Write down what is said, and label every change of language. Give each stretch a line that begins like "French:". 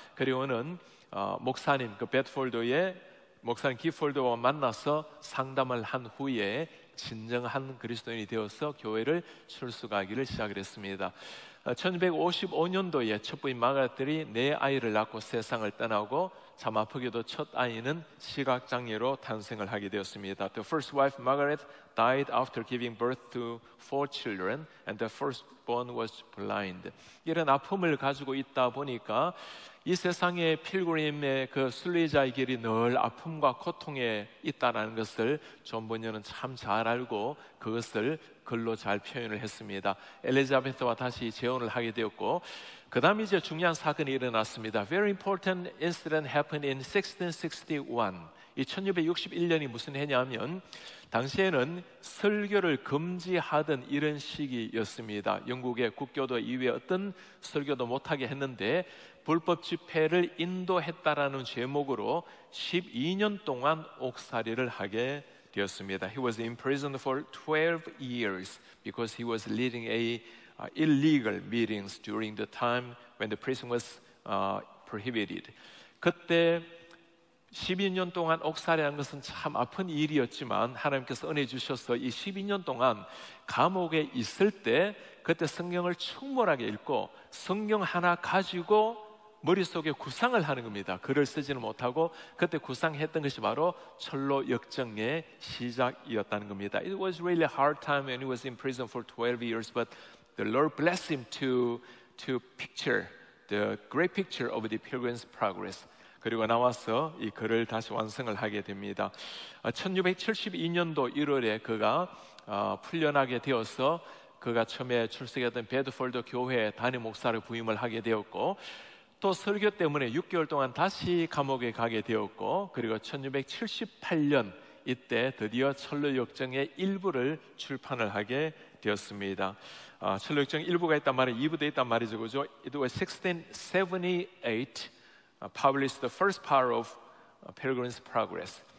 Korean: 그리고는 목사님, 그 베드폴드의 목사님 기폴드와 만나서 상담을 한 후에 진정한 그리스도인이 되어서 교회를 출석하기를 시작했습니다. 1655년도에 첫 부인 마가렛이 네 아이를 낳고 세상을 떠나고 참 아프게도 첫 아이는 시각장애로 탄생을 하게 되었습니다.
English: The first wife, Margaret, died after giving birth to 4 children and the firstborn was blind.
Korean: 이런 아픔을 가지고 있다 보니까 이 세상의 필그림의 그 순례자의 길이 늘 아픔과 고통에 있다라는 것을 존 번연은 참 잘 알고 그것을 글로 잘 표현을 했습니다. 엘리자베스와 다시 재혼을 하게 되었고 그 다음 이제 중요한 사건이 일어났습니다.
English: Very important incident happened in 1661.
Korean: 이 1661년이 무슨 해냐면 당시에는 설교를 금지하던 이런 시기였습니다. 영국의 국교도 이외에 어떤 설교도 못하게 했는데 불법 집회를 인도했다라는 제목으로 12년 동안 옥살이를 하게 되었습니다.
English: He was imprisoned for 12 years because he was leading a illegal meetings during the time when the prison was prohibited.
Korean: 그때 12년 동안 옥살이한 것은 참 아픈 일이었지만 하나님께서 은혜 주셔서 이 12년 동안 감옥에 있을 때 그때 성경을 충몰하게 읽고 성경 하나 가지고 머릿속에 구상을 하는 겁니다. 글을 쓰지는 못하고 그때 구상했던 것이 바로 철로 역정의 시작이었다는 겁니다.
English: It was really a hard time and he was in prison for 12 years, but the Lord blessed him to picture the great picture of the pilgrim's progress.
Korean: 그리고 나와서 이 글을 다시 완성을 하게 됩니다. 1672년도 1월에 그가 풀려나게 되어서 그가 처음에 출석했던 베드폴드 교회의 담임 목사를 부임을 하게 되었고 또 설교 때문에 6개월 동안 다시 감옥에 가게 되었고 그리고 1678년 이때 드디어 철로 역정의 일부를 출판을 하게 되었습니다. 철로 역정 일부가 있단 말은 2부도 있단 말이죠. 그죠?
English: It was 1678 published the first part of Pilgrim's Progress.